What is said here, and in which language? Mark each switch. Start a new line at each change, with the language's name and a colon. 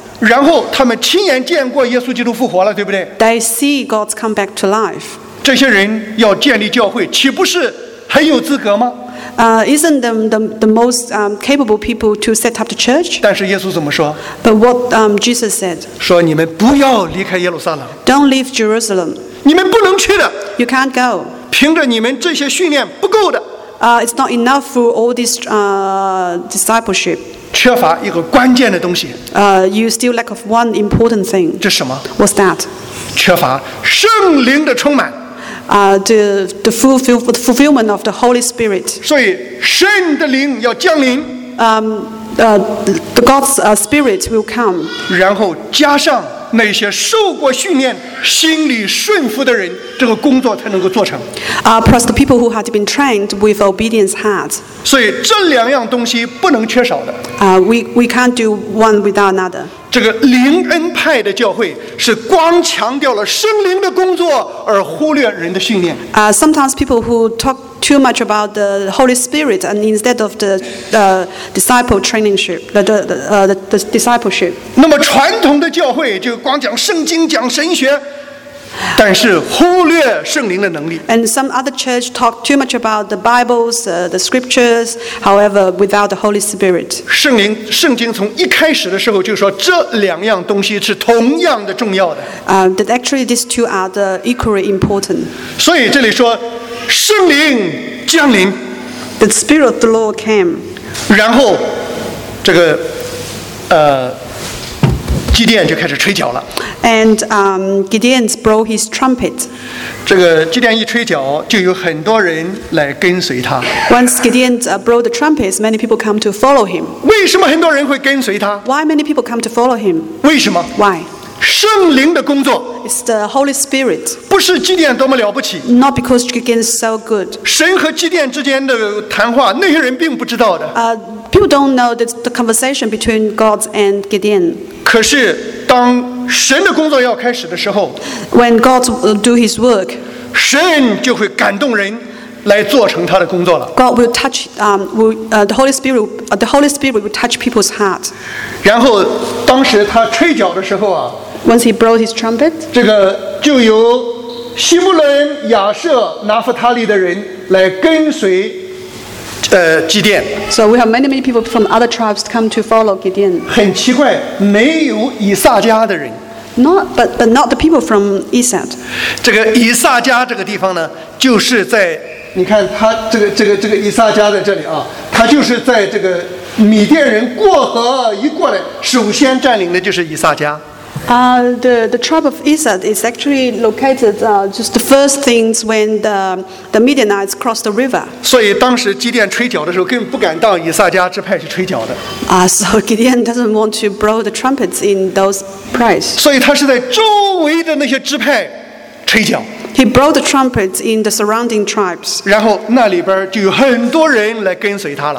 Chinese: 然后他们亲眼见过耶稣基督复活了对不对
English: They see God's come back to life
Chinese: 这些人要建立教会岂不是很有资格吗
English: Isn't them the most capable people to set up the church?
Chinese: 但是耶稣怎么说
English: But what Jesus said?
Chinese: 说你们不要离开耶路撒冷
English: Don't leave Jerusalem.
Chinese: 你们不能去的
English: You can't go.
Chinese: 凭着你们这些训练不够的
English: It's not enough for all this discipleship.
Chinese: 缺乏一个关键的东西
English: You still lack of one important thing.
Chinese: 这是什么
English: What's that?
Chinese: 缺乏圣灵的充满
English: the fulfillment of the Holy Spirit.
Chinese: 所以神的灵要降临。
English: The God's Spirit will come.
Chinese: 然后加上那些受过训练、心里顺服的人，这个工作才能够做成。
English: Plus the people who had been trained with obedience hearts.
Chinese: 所以这两样东西不能缺少的。
English: We can't do one without another.
Chinese: 这个灵恩派的教会是光强调了圣灵的工作，而忽略人的训练。
English: Sometimes people who talk too much about the Holy Spirit and instead of the disciple trainingship, the discipleship.
Chinese: 那么传统的教会就光讲圣经、讲神学。但是忽略圣灵的能力。
English: And some other church talk too much about the Bibles, the scriptures, however, without the Holy Spirit.
Chinese: 圣经从一开始的时候就说这两样东西是同样的重要的。
English: That actually these two are the equally important.
Chinese: 所以这里说圣灵降临。
English: The Spirit of the Lord came.
Chinese: 然后这个基甸就开始吹角了。
English: And Gideon blew his trumpet.
Chinese: 这个基甸一吹角，就有很多人来跟随他。
English: Once Gideon blew the trumpets, many people come to follow him.
Chinese: 为什么很多人会跟随他
English: ？Why many people come to follow him?
Chinese: 为什么
English: ？Why?
Chinese: 圣灵的工作。
English: It's the Holy Spirit.
Chinese: 不是基甸多么了不起。
English: Not because Gideon is so good.
Chinese: 神和基甸之间的谈话，那些人并不知道的。
English: People don't know the conversation between God and Gideon.
Chinese: 可是当神的工作要开始的时候
English: ，When God will do His work，
Chinese: 神就会感动人来做成他的工作了。
English: God will touch the Holy Spirit will touch people's heart。
Chinese: 然后当时他吹角的时候啊
English: ，Once he blew his trumpet，
Chinese: 这个就由西布伦、亚舍、拿弗他利的人来跟随。基甸。
English: So we have many people from other tribes come to follow Gideon.
Chinese: 很奇怪，没有以撒家的人。
English: But not the people from Isad.
Chinese: 这个以撒家这个地方呢，就是在你看他这个以撒家在这里啊，他就是在这个米甸人过河一过来，首先占领的就是以撒家。
English: The tribe of Isad is actually located just the first things when the Midianites crossed the river.
Chinese: 所以当时基甸吹角的时候，根本不敢到以撒家支派去吹角的。
English: So Gideon doesn't want to blow the trumpets in those place.
Chinese: 所以他是在周围的那些支派吹角。
English: He blew the trumpets in the surrounding tribes.
Chinese: 然后那里边就有很多人来跟随他了。